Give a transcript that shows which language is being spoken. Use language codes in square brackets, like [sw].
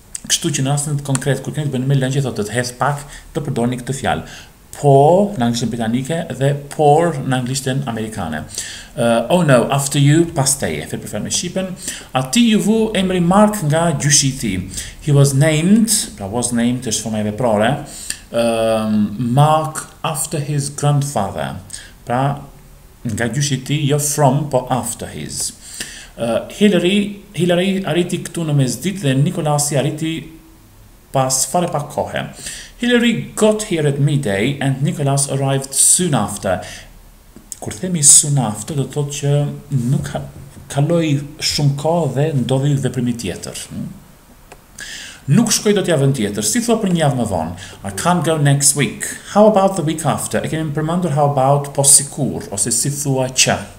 [sq] Kështu që në rastin konkret, kur keni të bëni me lëngje, thotë të hedhë pak, të përdorni këtë fjalë. Pour në anglishtën britanike dhe pour në anglishtën amerikane. [en] Oh no, after you, [sq] pas teje, fjalë për fjalë me shqipen. Ati ju vu emri Mark nga gjyshi I tij. [en] He was named, pra was named, [sq] është forma e veprore, [en] Mark after his grandfather. [sq] Pra, nga gjyshi I tij, jo from, po after his. Hillary arriti këtu në mesdit dhe Nikolasi arriti pas fare pak kohe. [en] Hillary got here at midday and Nicholas arrived soon after. [sq] Kur themi soon after, do të thotë që nuk kaloi shumë kohë dhe ndodhi veprimi tjetër. Nuk shkoj dot javën tjetër, si thua për një javë më vonë. [en] I can't go next week. How about the week after? [sq] E kemi përmendur how about po sikur, ose si thua që.